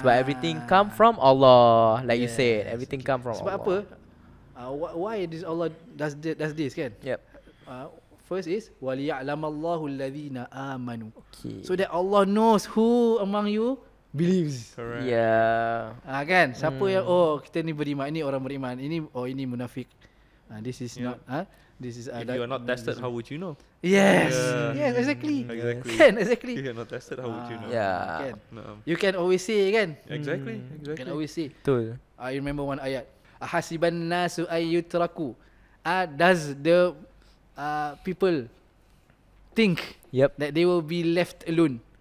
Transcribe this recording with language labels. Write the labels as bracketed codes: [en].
[ms] Sebab [en] everything come from Allah. Like you said, everything come from Allah. [ms] Sebab apa? [en] Why does Allah does this, kan? Yep. First is [ar] وَلِيَعْلَمَ اللَّهُ الَّذِينَ آمَنُوا. [en] Okay. So that Allah knows who among you believes. Correct. Yeah. [ms] Kan? Siapa yang kita ni beriman, ini orang beriman, ini ini munafik. [en] This is not. This is. If you are not tested, how would you know? Yes. Yeah. Exactly. Exactly. If you are not tested, how would you know? Yeah. Can. No. You can always say, kan? Exactly. Can always say. [ms] Betul. [en] I remember one ayat. [ar] Ahasiban nasu ayyutraku. [en] Does the people think that they will be left alone?